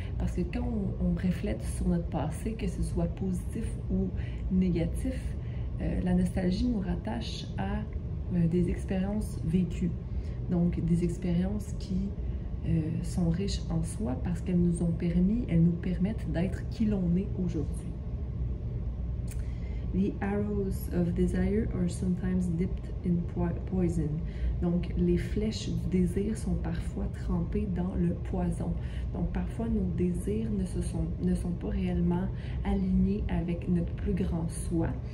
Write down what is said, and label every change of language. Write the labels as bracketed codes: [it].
[fr] Parce que quand on reflète sur notre passé, que ce soit positif ou négatif, la nostalgie nous rattache à des expériences vécues, donc des expériences qui sont riches en soi parce qu'elles nous ont permis, elles nous permettent d'être qui l'on est aujourd'hui. [en] The arrows of desire are sometimes dipped in poison. [fr] Donc, les flèches du désir sont parfois trempées dans le poison. Donc, parfois, nos désirs ne sont pas réellement alignés avec notre plus grand soi.